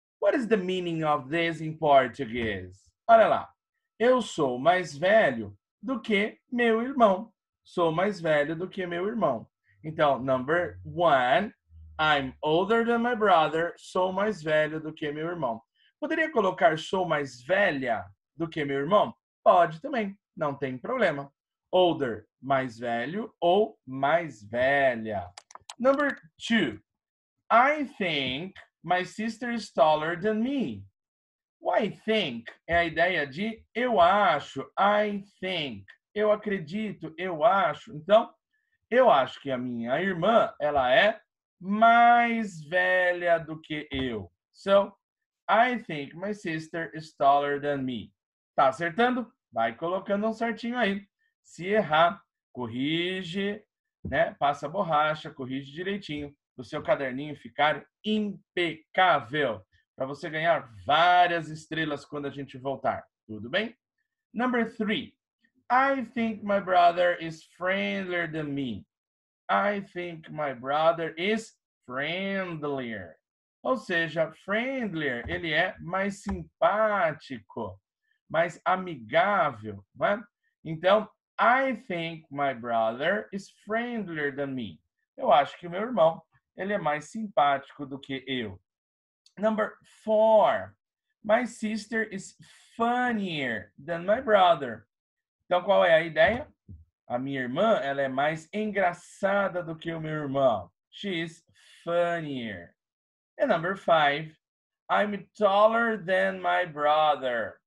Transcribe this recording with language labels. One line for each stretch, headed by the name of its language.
English: What is the meaning of this in Portuguese?
Portuguese: Olha lá. Eu sou mais velho do que meu irmão. Sou mais velho do que meu irmão. Então,
English: number one, I'm older than my brother.
Portuguese: Sou mais velho do que meu irmão. Poderia colocar sou mais velha do que meu irmão? Pode também, não tem problema. Older, mais velho ou mais velha.
English: Number two, I think my sister is taller than me. I think
Portuguese: é a ideia de eu acho,
English: I think,
Portuguese: eu acredito, eu acho. Então, eu acho que a minha irmã, ela é mais velha do que eu.
English: So, I think my sister is taller than me.
Portuguese: Tá acertando? Vai colocando um certinho aí. Se errar, corrige, né? Passa a borracha, corrige direitinho. O seu caderninho ficar impecável. Para você ganhar várias estrelas quando a gente voltar. Tudo bem?
English: Number three. I think my brother is friendlier than me. I think my brother is friendlier.
Portuguese: Ou seja, friendlier, ele é mais simpático, mais amigável. Né? Então,
English: I think my brother is friendlier than me.
Portuguese: Eu acho que o meu irmão, ele é mais simpático do que eu.
English: Number four, my sister is funnier than my brother.
Portuguese: Então, qual é a ideia? A minha irmã, ela é mais engraçada do que o meu irmão.
English: She is funnier. And number five, I'm taller than my brother.